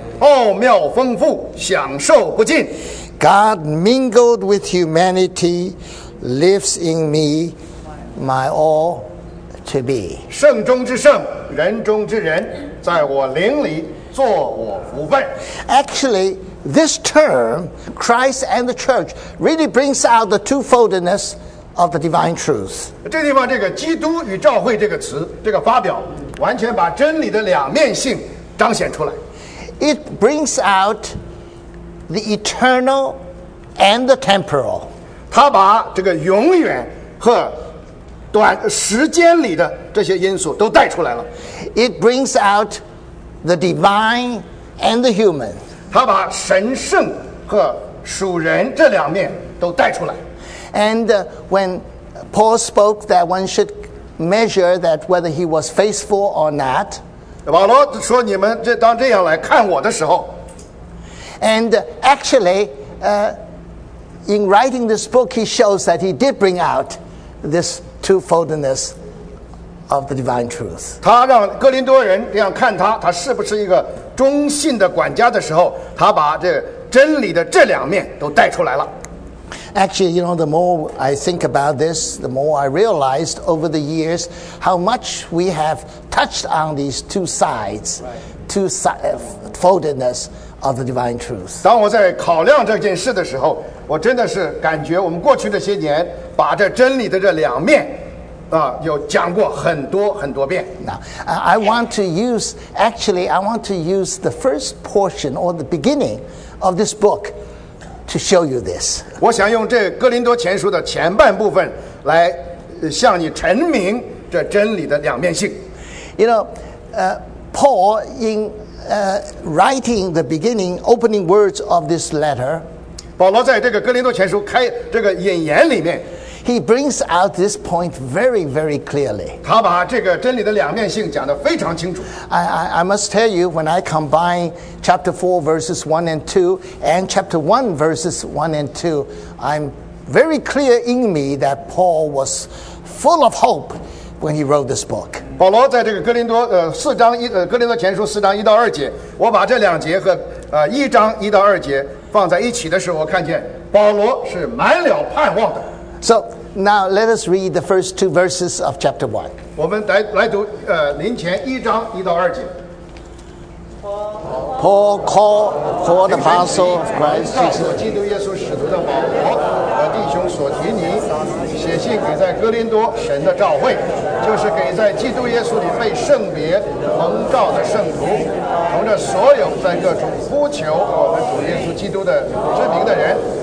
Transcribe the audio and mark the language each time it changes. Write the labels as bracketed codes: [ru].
[zh] 奥妙丰富，享受不尽。 [en] God mingled with humanity, lives in me, my all to be. [zh] 圣中之圣，人中之人，在我灵里，做我福分。 [en] Actually. This term, Christ and the Church, really brings out the twofoldness of the divine truth. [zh] 这地方这个基督与教会这个词，这个发表，完全把真理的两面性彰显出来。 [en] It brings out the eternal and the temporal. [zh] 它把这个永远和短时间里的这些因素都带出来了。 [en] It brings out the divine and the human. [zh] 他把神圣和属人这两面都带出来。 [en] And when Paul spoke that one should measure that whether he was faithful or not, [zh] 保罗说你们这当这样来看我的时候。 [en] And actually, in writing this book, he shows that he did bring out this twofoldness of the divine truth. [zh] 他让哥林多人这样看他，他是不是一个忠信的管家的时候，他把这真理的这两面都带出来了。 [en] Actually, you know, the more I think about this, the more I realized over the years how much we have touched on these two sides, twofoldness of the divine truth. [zh] 当我在考量这件事的时候，我真的是感觉我们过去这些年把这真理的这两面。有讲过很多很多遍。 [en] Now, I want to use the first portion or the beginning of this book to show you this. [zh] 我想用这哥林多前书的前半部分来向你陈明这真理的两面性。 [en] You know, Paul in writing the beginning opening words of this letter, [zh] 保罗在这个哥林多前书开这个引言里面。 [en] He brings out this point very, very clearly. [zh] 他把这个真理的两面性讲得非常清楚。 [en] I must tell you, when I combine chapter 4, verses 1 and 2, and chapter 1, verses 1 and 2, I'm very clear in me that Paul was full of hope when he wrote this book. [zh] 保罗在这个哥林多四章一哥林多前书四章一到二节，我把这两节和一章一到二节放在一起的时候，我看见保罗是满了盼望的。 [en] So now let us read the first two verses of chapter 1. [zh] 我们来读林前一章一到二节。 [en] Paul called for the apostle of Christ Jesus. [zh] 基督耶稣使徒的保罗和弟兄所提尼写信给在哥林多神的召会，就是给在基督耶稣里被圣别蒙召的圣徒，同着所有在各处呼求我们主耶稣基督的之名的人。